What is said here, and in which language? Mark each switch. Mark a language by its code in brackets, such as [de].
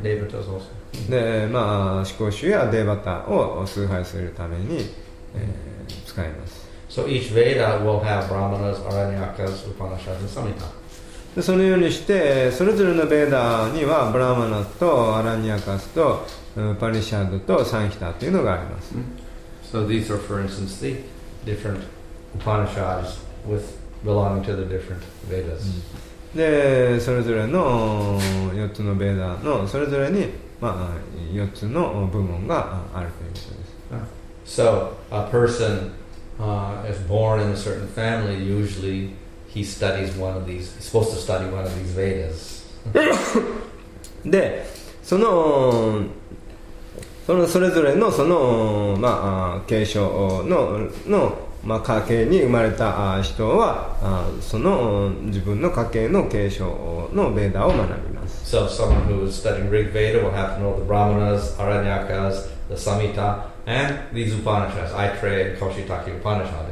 [ja] デバタ also. で、まあ思考主やデバタを崇拝するために、使います。 [en] So each Veda will have Brahmanas, Aranyakas, Upanishads, and Samhita. [ja] で、そのようにしてそれぞれのベーダーにはブラマナとアラニアカスとパリシャドとサンヒタというのがあります。 [en] So these are, for instance, the different Upanishads with belonging to the different Vedas. [ja] で、それぞれの4つのベーダーのそれぞれに、まあ、4つの部門があるということです。 [en] So, a person is born in a certain family, usually he studies one of these, he's supposed to study one of these Vedas. [ja] で、その、それぞれのその、まあ、継承の、まあ、家系に生まれた人はその自分の家系の継承のベーダーを学びます。 [en] So someone who is studying Rig Veda will have to know the Brahmanas, Aranyakas, the Samhita and these Upanishads, Aitreya and Kaushitaki Upanishad.